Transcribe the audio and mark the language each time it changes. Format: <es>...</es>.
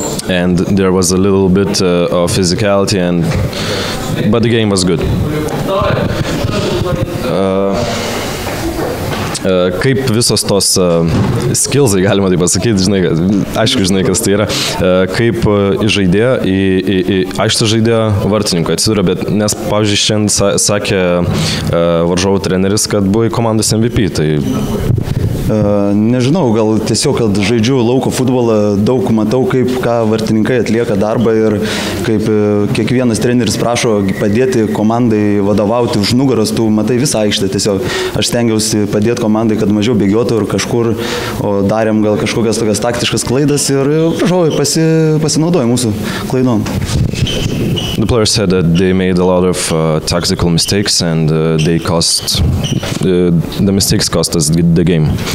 <en>And there was a little bit of physicality, and but the game was good.</en> <lt>Kaip visos tos skillsai, galima taip pasakyti, žinai, aišku, žinai, kas tai yra, kaip žaidėjo į aikštę žaidėjo vartininkui atsidūrė, bet nes, pavyzdžiui, šiandien sakė varžovų treneris, kad buvo į komandos MVP, tai... Nežinau, gal tiesiog, kad žaidžiu lauko futbolą, daug matau, kaip ką vartininkai atlieka darbą ir kaip kiekvienas treneris prašo padėti komandai vadovauti už nugaros, tu matai visą aikštę, tiesiog aš stengiausi padėti komandai, kad mažiau bėgiotų ir kažkur, o darėm gal kažkokias tokias taktiškas klaidas ir žodžiu, pasinaudoja mūsų klaidom.</lt> <en>The players said that they made a lot of tactical mistakes and the mistakes cost us the game.</en>